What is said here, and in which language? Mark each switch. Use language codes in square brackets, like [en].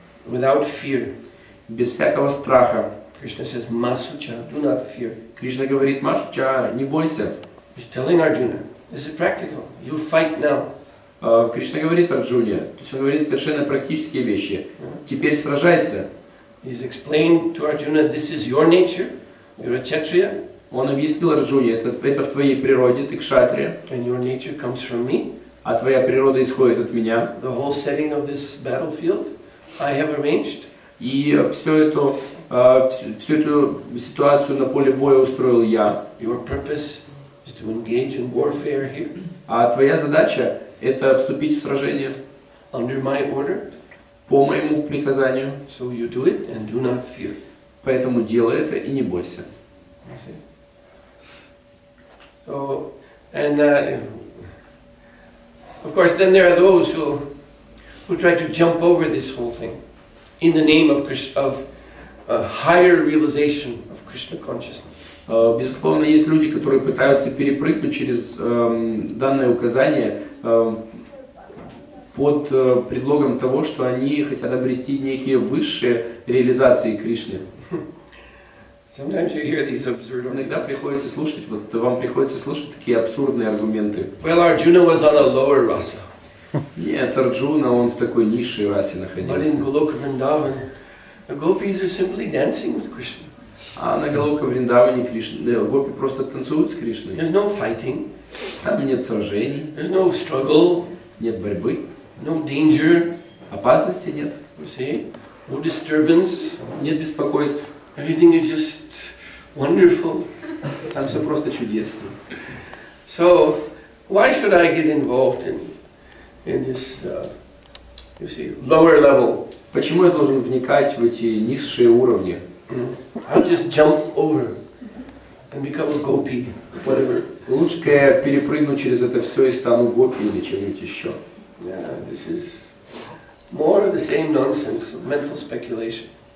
[en] Without fear. [ru] Без всякого страха. [en] Krishna says, Masucha, do not fear. [ru] Кришна говорит, Масуча, не бойся. [en] He's telling Arjuna, this is practical. You fight now. [ru] Кришна говорит Арджуне, то есть он говорит совершенно практические вещи. Теперь сражайся. [en] He's explained to Arjuna, this is your nature. You're a Kshatriya. [ru] Он объяснил Арджуне, это в твоей природе, ты Кшатрия. [en] And your nature comes from me. [ru] А твоя природа исходит от меня. [en] The whole setting of this battlefield I have arranged. [ru] И всю эту ситуацию на поле боя устроил я. [en] Your purpose is to engage in warfare here. [ru] А твоя задача – это вступить в сражение. [en] Under my order. [ru] По моему приказанию. [en] So you do it and do not fear. [ru] Поэтому делай это и не бойся. [en] So, and of course, then there are those who try to jump over this whole thing. In the name of a higher realization of Krishna consciousness. [ru] Безусловно, есть люди, которые пытаются перепрыгнуть через данное указание под предлогом того, что они хотят обрести некие высшие реализации Кришны. [en] Sometimes you hear these absurd. [ru] Иногда приходится слушать, вот вам приходится слушать такие абсурдные аргументы. [en] Well, Arjuna was on a lower rasa. [ru] Нет, Арджуна, он в такой низшей расе находился. А на Голока Вриндаване гопи просто танцуют с Кришной. [en] There's no fighting. [ru] Там нет сражений. [en] There's no struggle. [ru] Нет борьбы. [en] No danger. [ru] Опасности нет. [en] You see? No disturbance. [ru] Нет беспокойств. [en] Everything is just wonderful. [ru] Там все просто чудесно. [en] So, why should I get involved in this, you see, lower level. [ru] Почему я должен вникать в эти низшие уровни? [en] I'll just jump over and become a gopi, whatever. [ru] Лучше я перепрыгну через это все и стану гопи или чем-нибудь еще. [en] Yeah, this is more of the same nonsense, mental speculation.